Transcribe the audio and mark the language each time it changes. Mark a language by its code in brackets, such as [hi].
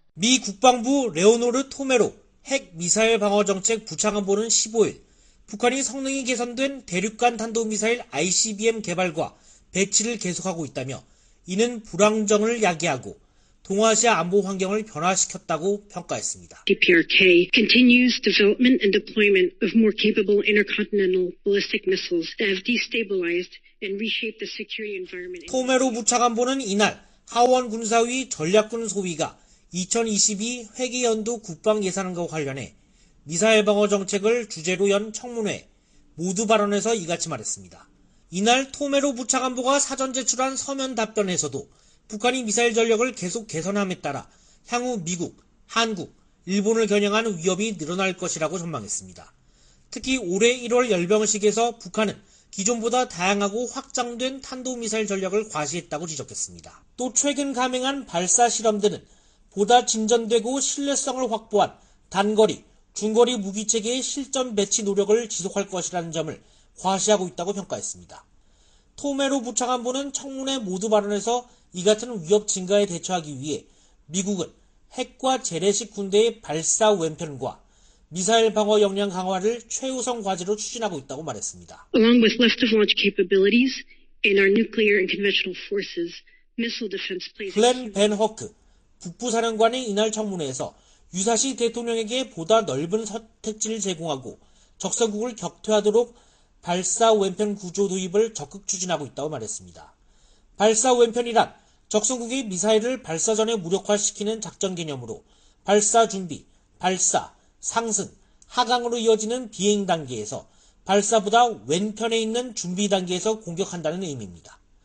[ko] 미 국방부 레오노르 토메로 핵미사일 방어정책 부차관보는 15일 북한이 성능이 개선된 대륙간 탄도미사일 ICBM 개발과 배치를 계속하고 있다며 이는 불황정을 야기하고 동아시아 안보 환경을 변화시켰다고 평가했습니다. [en] DPRK continues development and deployment of more capable intercontinental ballistic missiles that have destabilized and reshaped the security environment. [ko] 토메로 부차관보는 이날 하원 군사위 전략군 소위가 2022 회계연도 국방 예산과 관련해 미사일 방어 정책을 주제로 연 청문회 모두 발언에서 이같이 말했습니다. 이날 토메로 부차관보가 사전 제출한 서면 답변에서도 북한이 미사일 전력을 계속 개선함에 따라 향후 미국, 한국, 일본을 겨냥한 위협이 늘어날 것이라고 전망했습니다. 특히 올해 1월 열병식에서 북한은 기존보다 다양하고 확장된 탄도미사일 전력을 과시했다고 지적했습니다. 또 최근 감행한 발사 실험들은 보다 진전되고 신뢰성을 확보한 단거리, 중거리 무기체계의 실전 배치 노력을 지속할 것이라는 점을 과시하고 있다고 평가했습니다. 토메로 부차관보는 청문회 모두 발언에서 이 같은 위협 증가에 대처하기 위해 미국은 핵과 재래식 군대의 발사 왼편과 미사일 방어 역량 강화를 최우선 과제로 추진하고 있다고 말했습니다. [en] Along with left of launch capabilities in our nuclear and conventional forces, missile defense plays. [ko] 글렌 벤 허크 북부사령관의 이날 청문회에서 유사시 대통령에게 보다 넓은 선택지를 제공하고 적성국을 격퇴하도록 발사 왼편 구조 도입을 적극 추진하고 있다고 말했습니다. 발사 왼편이란 적성국이 미사일을 발사 전에 무력화시키는 작전 개념으로 발사 준비, 발사, 상승, 하강으로 이어지는 비행 단계에서 발사보다 왼편에 있는 준비 단계에서 공격한다는 의미입니다.